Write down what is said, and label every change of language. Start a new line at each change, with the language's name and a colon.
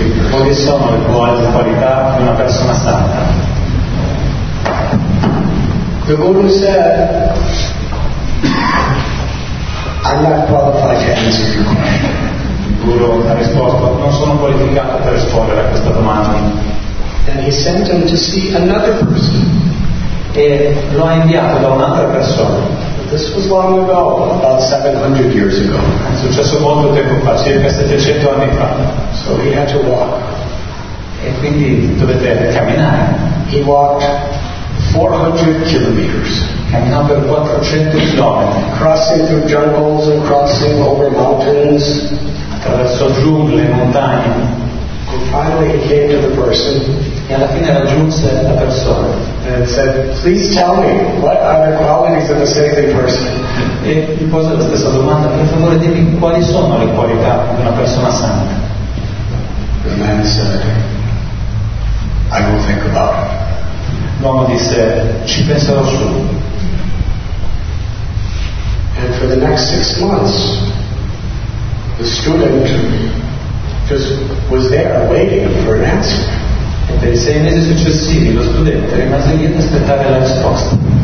Italian: Quali sono le qualità di una persona santa?
English: The Guru said, I'm not qualified to answer your question.
Italian: Guru ha risposto, non sono qualificato per rispondere a questa domanda.
English: And he sent him to see another person.
Italian: E lo ha inviato da un'altra persona.
English: This was long ago, about 700 years ago.
Italian: È successo molto tempo fa, circa 700 anni fa.
English: So he had to walk.
Italian: E quindi dovete camminare.
English: He walked 400 kilometers.
Italian: Camminò per 400 chilometri.
English: Crossing through jungles and crossing over mountains.
Italian: Attraverso giungle e montagne.
English: And finally he came to the person.
Italian: E alla fine raggiunse la persona.
English: And said, please tell me, what are the qualities of a saintly person?
Italian: E gli pose la stessa domanda, per favore dimmi quali sono le qualità di una persona santa.
English: The man said, I will think about it.
Italian: L'uomo disse, ci penserò su.
English: And for the next 6 months, the student just was there waiting for an answer.
Italian: E per i 6 mesi successivi lo studente rimase lì ad aspettare la risposta.